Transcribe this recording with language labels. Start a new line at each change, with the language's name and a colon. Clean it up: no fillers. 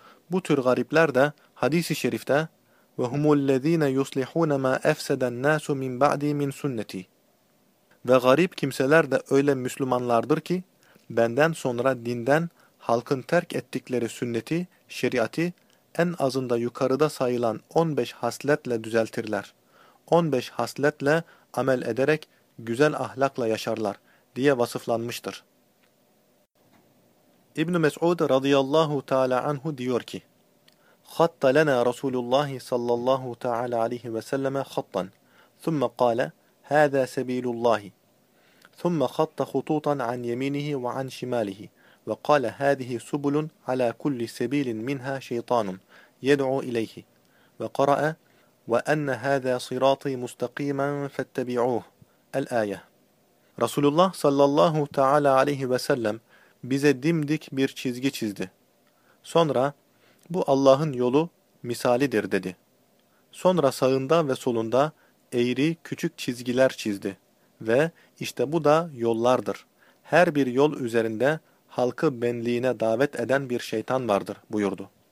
Turkish: Bu tür garipler de hadis-i şerifte
Arabic: وَهُمُ الَّذ۪ينَ يُصْلِحُونَ مَا اَفْسَدَ النَّاسُ مِنْ بَعْد۪ي مِنْ سُنَّتِي
Turkish: ve garip kimseler de öyle Müslümanlardır ki benden sonra dinden halkın terk ettikleri sünneti, şeriatı en azında yukarıda sayılan 15 hasletle düzeltirler. 15 hasletle amel ederek güzel ahlakla yaşarlar diye vasıflanmıştır. İbn-i Mes'ud radıyallahu teala anhu diyor ki,
Arabic: خَطَّ لَنَا رَسُولُ اللّٰهِ صَلَّى اللّٰهُ تَعَالَى عَلَيْهِ وَسَلَّمَ خَطًّا ثُمَّ قَالَ هَذَا سَب۪يلُ اللّٰهِ ثُمَّ خَطَّ خُطُوطًا عَنْ يَم۪ينِهِ وَعَنْ شِمَالِهِ وَقَالَ هَذِهِ سُبُلٌ عَلَى كُلِّ سَب۪يلٍ مِنْهَا شَيْطَانٌ يَدْعُوا إِلَيْهِ وَقَرَأَ وَأَنَّ هَذَا صِرَاطِي مُسْتَقِيمًا فَاتَّبِعُوهُ الْآيَة.
Turkish: Resulullah sallallahu teala aleyhi ve sellem bize dimdik bir çizgi çizdi. Sonra bu Allah'ın yolu misalidir dedi. Sonra sağında ve solunda eğri küçük çizgiler çizdi. Ve işte bu da yollardır. Her bir yol üzerinde halkı benliğine davet eden bir şeytan vardır buyurdu.